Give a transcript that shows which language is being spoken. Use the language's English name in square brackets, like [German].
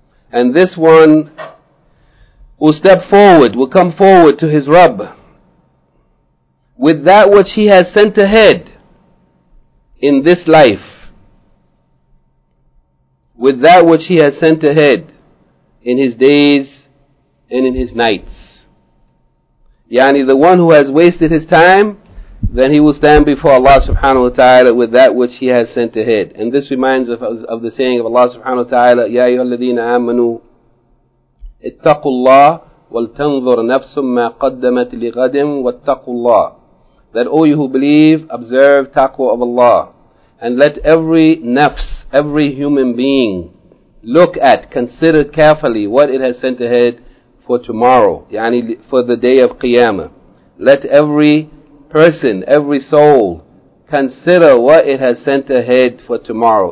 [English] And this one will step forward, will come forward to his Rabb with that which he has sent ahead in this life, with that which he has sent ahead in his days and in his nights. Yani, the one who has wasted his time, then he will stand before Allah subhanahu wa ta'ala with that which he has sent ahead. And this reminds us of the saying of Allah subhanahu wa ta'ala, [Arabic] يَا أَيُّهَا الَّذِينَ آمَنُوا اتَّقُوا اللَّهِ وَالْتَنْظُرْ نَفْسٌ مَّا قَدَّمَتْ لِغَدٍ وَاتَّقُوا اللَّهِ. [English] That all you who believe, observe taqwa of Allah. And let every nafs, every human being, look at, consider carefully what it has sent ahead for tomorrow, yani for the day of Qiyamah. Let every person, every soul, consider what it has sent ahead for tomorrow.